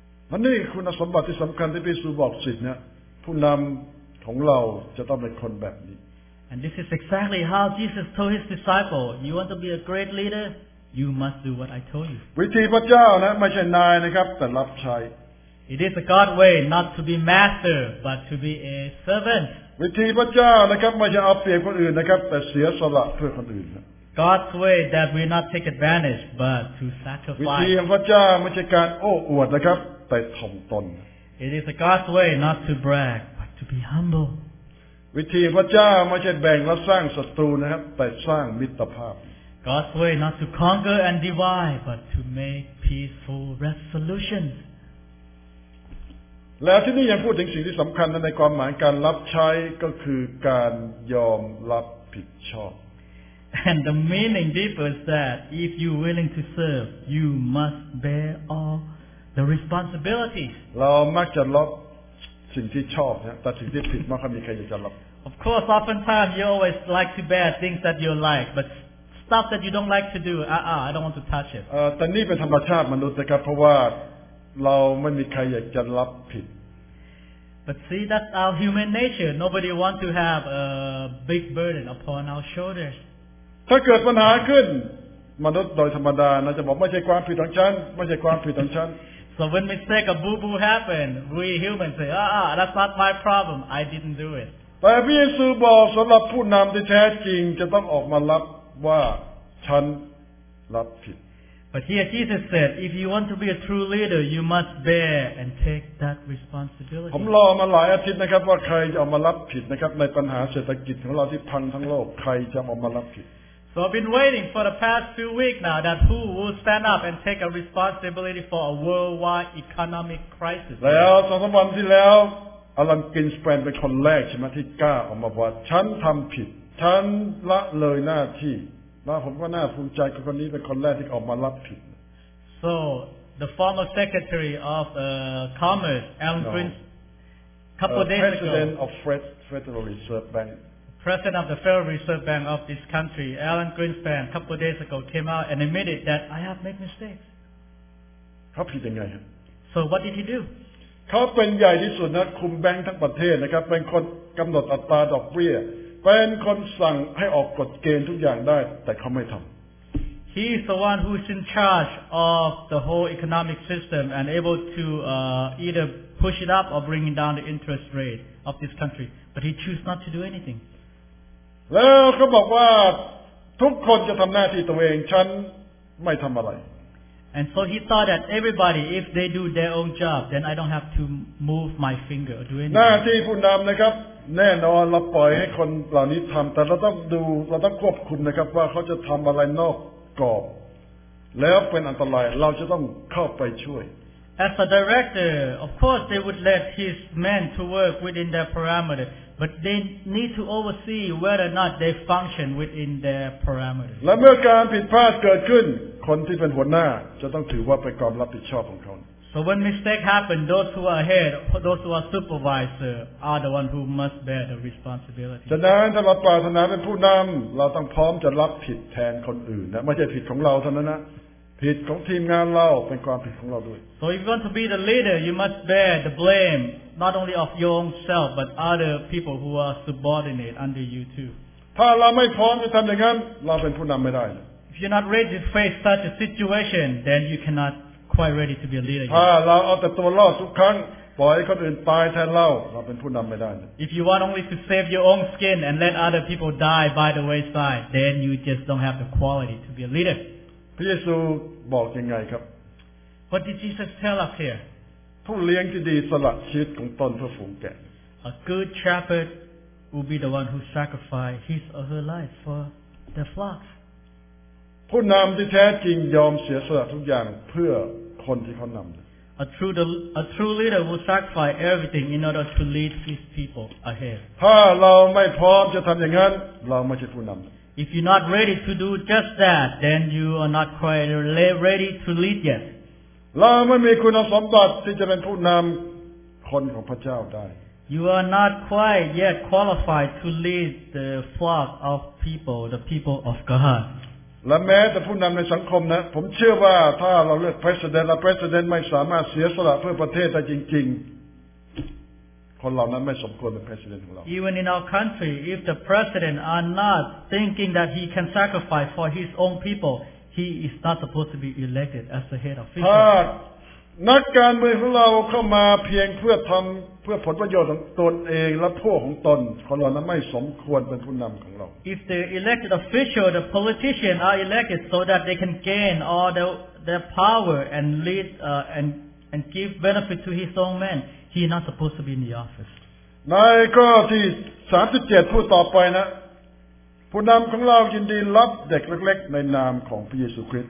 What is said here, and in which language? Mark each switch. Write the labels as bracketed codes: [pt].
[th] มันนี่คุณสมบัติที่สำคัญที่พระเยซูบอกสิเนี่ยผู้นำของเราจะต้องเป็นคนแบบนี้ [en] And this is exactly how Jesus told his disciple, you want to be a great leader, you must do what I told you. [th] วิธีพระเจ้านะไม่ใช่นายนะครับแต่รับใช้ [en] It is a God way not to be master, but to be a servant. [th] วิธีพระเจ้านะครับไม่ใช่เอาเปรียบคนอื่นนะครับแต่เสียสละเพื่อคนอื่น [en] God's way that we not take advantage but to sacrifice. [th] วิธีของพระเจ้าไม่ใช่การโอ้อวดนะครับแต่ถ่อมตน [en] It is a God's way not to brag but to be humble. [th] วิธีพระเจ้าไม่ใช่แบ่งและสร้างศัตรูนะครับแต่สร้างมิตรภาพ [en] God's way not to conquer and divide but to make peaceful resolutions. [th] แล้วที่นี่ยังพูดถึงสิ่งที่สำคัญในความหมายการรับใช้ก็คือการยอมรับผิดชอบ [en] And the meaning deeper is that if you're willing to serve, you must bear all the responsibilities. [th] เรามักจะรับสิ่งที่ชอบนะแต่สิ่งที่ผิดมักไม่มีใครจะรับ [en] Of course, oftentimes you always like to bear things that you like, but stuff that you don't like to do, I don't want to touch it. [th] แต่นี่เป็นธรรมชาติมนุษย์นะครับเพราะว่าเราไม่มีใครอยากจะรับผิด [en] But see, that's our human nature. Nobody wants to have a big burden upon our shoulders. [th] ถ้าเกิดปัญหาขึ้นมนุษย์โดยธรรมดานะจะบอกไม่ใช่ความผิดของฉันไม่ใช่ความผิดของฉัน [en] So when mistake or boo boo happen, we humans say, that's not my problem. I didn't do it. [th] แต่พระเยซูบอกสำหรับผู้นำที่แท้จริงจะต้องออกมารับว่าฉันรับผิด [en] But here Jesus said, if you want to be a true leader, you must bear and take that responsibility. [th] ผมรอมาหลายอาทิตย์นะครับว่าใครจะออกมารับผิดนะครับในปัญหาเศรษฐกิจของเราที่พังทั้งโลกใครจะออกมารับผิด [en] So I've been waiting for the past few weeks now that who will stand up and take a responsibility for a worldwide economic crisis. [th] แล้วสองสามวันที่แล้วอลันกินสเปนเป็นคนแรกใช่ไหมที่กล้าออกมาว่าฉันทำผิดฉันละเลยหน้าที่แล้วผมก็น่าภูมิใจกับคนนี้เป็นคนแรกที่ออกมารับผิด [en] So the former secretary of commerce, Alan Greenspan, couple days ago, president of Federal Reserve Bank. President of the Federal Reserve Bank of this country, Alan Greenspan, a couple of days ago came out and admitted that I have made mistakes. So what did he do? [th] เขาเป็นใหญ่ที่สุดนะคุมแบงค์ทั้งประเทศนะครับเป็นคนกำหนดอัตราดอกเบี้ยเป็นคนสั่งให้ออกกฎเกณฑ์ทุกอย่างได้แต่เขาไม่ทำ [en] He is the one who is in charge of the whole economic system and able to either push it up or bring down the interest rate of this country. But he chose not to do anything. [th] แล้วเขาบอกว่าทุกคนจะทำหน้าที่ตัวเองฉันไม่ทำอะไร [en] And so he thought that everybody if they do their own job then I don't have to move my finger or do anything [th] หน้าที่ผู้นำนะครับแน่นอนเราปล่อยให้คนเหล่านี้ทำแต่เราต้องดูเราต้องควบคุมนะครับว่าเขาจะทำอะไรนอกกรอบแล้วเป็นอันตรายเราจะต้องเข้าไปช่วย [en] As a director, of course they would let his men to work within their parameters, but they need to oversee whether or not they function within their parameters. [th] และเมื่อการผิดพลาดเกิดขึ้นคนที่เป็นหัวหน้าจะต้องถือว่าเป็นความรับผิดชอบของเขา [en] So when mistake happen, those who are head, those who are supervisor are the one who must bear the responsibility. [th] ฉะนั้นถ้าเราปรารถนาเป็นผู้นำเราต้องพร้อมจะรับผิดแทนคนอื่นนะไม่ใช่ผิดของเราเท่านั้นนะผิดของทีมงานเราเป็นความผิดของเราด้วย [en] So if you want to be the leader you must bear the blame not only of your own self but other people who are subordinate under you too [th] ถ้าเราไม่พร้อมจะทำอย่างนั้นเราเป็นผู้นำไม่ได้ [en] If you're not ready to face such a situation then you cannot quite ready to be a leader [th] ถ้าเราเอาแต่ตัวรอดทุกครั้งปล่อยให้คนอื่นตายแทนเราเราเป็นผู้นำไม่ได้ [en] If you want only to save your own skin and let other people die by the wayside then you just don't have the quality to be a leader [th] พระเยซูบอกยังไงครับ [en] What did Jesus tell us here? [th] ผู้เลี้ยงที่ดีสละชีวิตของตนเพื่อฝูงแกะ [en] A good shepherd will be the one who sacrifice his or her life for the flock. [th] ผู้นำที่แท้จริงยอมเสียสละทุกอย่างเพื่อคนที่เขานำ [en] A true leader will sacrifice everything in order to lead his people ahead. [th] ถ้าเราไม่พร้อมจะทำอย่างนั้นเราไม่ใช่ผู้นำ [en] If you're not ready to do just that, then you are not quite ready to lead yet. You are not quite yet qualified to lead the flock of people, the people of God. [th] และแม้แต่ผู้นำในสังคมนะผมเชื่อว่าถ้าเราเลือก president และ president ไม่สามารถเสียสละเพื่อประเทศได้จริงๆคนเหล่านั้นไม่สมควรเป็น president ของเรา [en] Even in our country, if the president are not thinking that he can sacrifice for his own people, he is not supposed to be elected as the head of people. [th] ถ้านักการเมืองของเราเข้ามาเพียงเพื่อทำเพื่อผลประโยชน์ของตนเองและพวกของตนคนเหล่านั้นไม่สมควรเป็นผู้นำของเรา [en] If the elected official, the politician are elected so that they can gain all their power and lead and give benefit to his own men. He is not supposed to be in the office. [th] ในข้อที่ 37 พูดต่อไปนะผู้นำของเรายินดีรับเด็กเล็กๆในนามของพระเยซูคริสต